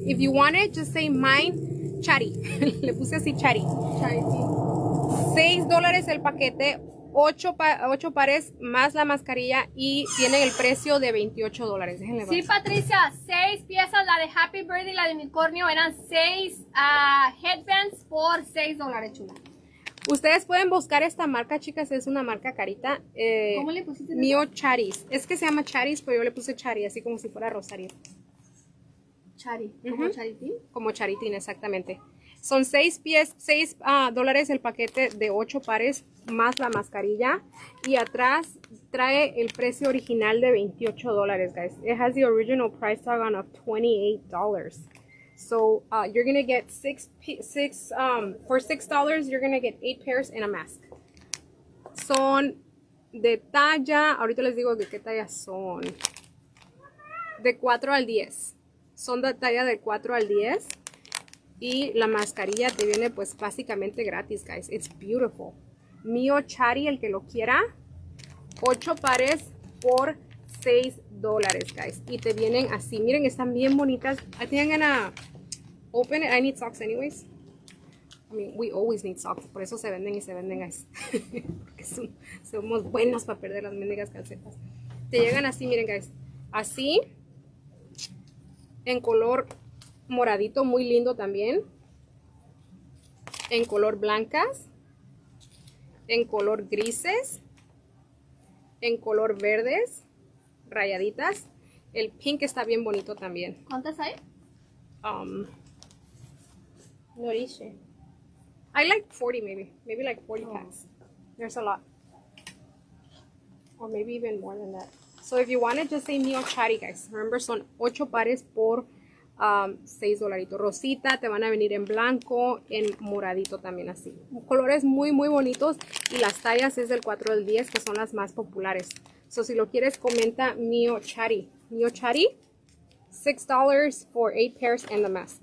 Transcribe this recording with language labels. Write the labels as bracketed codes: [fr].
[en] If you want it, just say mine, Chari. [es] Le puse así, Chari. $6 el paquete. 8 pares más la mascarilla y tienen el precio de $28. Déjenle ver. Sí, Patricia, 6 piezas, la de Happy Birthday y la de unicornio eran 6 headbands por $6, chula. Ustedes pueden buscar esta marca, chicas, es una marca carita. ¿Cómo le pusiste? Mio Charis. Es que se llama Charis, pero yo le puse Chari, así como si fuera Rosario. Chari. ¿Como Charitín? Como Charitín, exactamente. Son 6 pies, $6 el paquete de 8 pares más la mascarilla. Y atrás trae el precio original de $28, guys. [en] It has the original price tag on of $28. So you're going to get for $6, you're going to get 8 pairs and a mask. [es] Son de talla, ahorita les digo de qué talla son. De 4 al 10. Son de talla de 4 al 10. Y la mascarilla te viene pues básicamente gratis, guys. It's beautiful. Mio Chari, el que lo quiera. 8 pares por $6, guys. Y te vienen así. Miren, están bien bonitas. [en] I think I'm gonna open it. I need socks anyways. I mean, we always need socks. Por eso se venden y se venden, guys. [es] Porque somos buenos para perder las mendigas calcetas. Te llegan así, miren, guys. Así. En color moradito, muy lindo también. En color blancas. En color grises. En color verdes. Rayaditas. El pink está bien bonito también. ¿Cuántas hay? No dice. [en] I like 40 maybe. Maybe like 40 packs. There's a lot. Or maybe even more than that. So if you want it, just say Mio Chari, guys. [es] Remember, son 8 pares por $6. Rosita, te van a venir en blanco, en moradito también así. Colores muy, muy bonitos y las tallas es del 4 al 10, que son las más populares. So, si lo quieres, comenta Mio Chari. Mio Chari, $6 for 8 pairs and the mask.